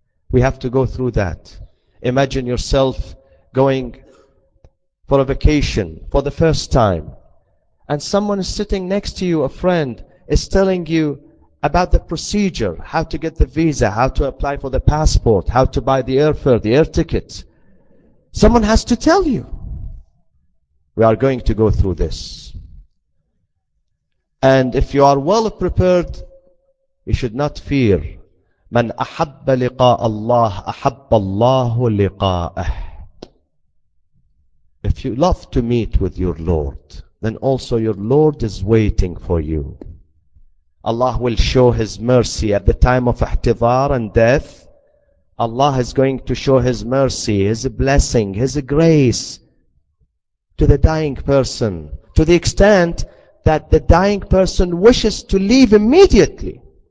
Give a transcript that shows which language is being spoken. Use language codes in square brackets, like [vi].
[en] We have to go through that. Imagine yourself going for a vacation for the first time, and someone is sitting next to you, a friend, is telling you about the procedure, how to get the visa, how to apply for the passport, how to buy the airfare, the air ticket. Someone has to tell you. We are going to go through this. And if you are well prepared, you should not fear. [ar] من أحب لقاء الله أحب الله لقاءه. [en] If you love to meet with your Lord, then also your Lord is waiting for you. Allah will show His mercy at the time of ihtidhar and death. Allah is going to show His mercy, His blessing, His grace to the dying person, to the extent that the dying person wishes to leave immediately.